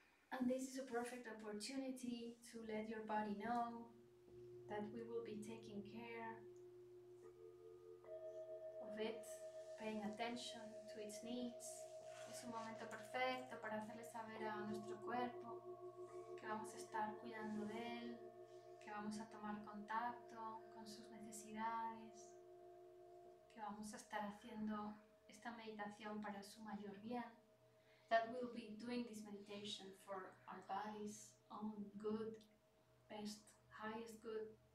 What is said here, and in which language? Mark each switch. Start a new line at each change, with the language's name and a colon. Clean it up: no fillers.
English: And this is a perfect opportunity to let your body know that we will be taking care of it, paying attention to its needs.
Spanish: Es un momento perfecto para hacerle saber a nuestro cuerpo que vamos a estar cuidando de él, que vamos a tomar contacto con sus necesidades, que vamos a estar haciendo esta meditación para su mayor bien.
English: That we'll be doing this meditation for our body's own good, best, highest good.